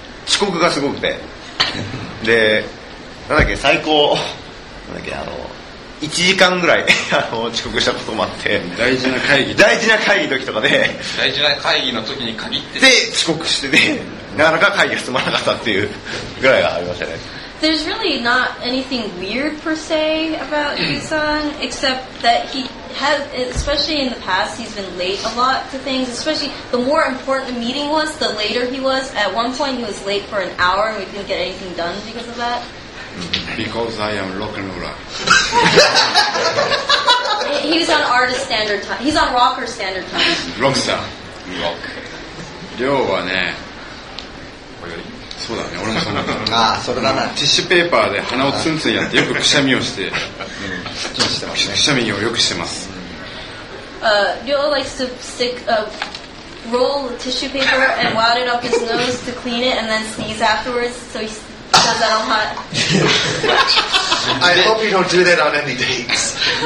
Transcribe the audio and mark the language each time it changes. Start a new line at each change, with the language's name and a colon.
Japanese: 遅刻がすごくて、で、なんだっけ、最高、なんだっけ、1時間ぐらい遅刻したこともあって、大事な会議、大事な会議の時とかで、大事な会議の時に限って、で、遅刻してて、なかなか会議が進まなかったっていうぐらいがありましたね。
English: There's really not anything weird per se about Yu-san, except that he has, especially in the past, he's been late a lot to things, especially the more important the meeting was, the later he was. At one point, he was late for an hour, and we didn't get anything done because of that. Because I am rock and roller. He's on artist standard time. He's on rocker standard time. Rockstar. Rock.
Japanese: Ryo wa ne... そうだね、俺もそんな感じ。ああ、それだな。ティッシュペーパーで鼻をツンツンやってよくくしゃみをして、くしゃみをよくしてます。
English: Ryo likes to stick a roll of tissue paper and wad it up his nose to clean it and then sneeze afterwards, so he does that a lot. I hope you don't do that on any dates.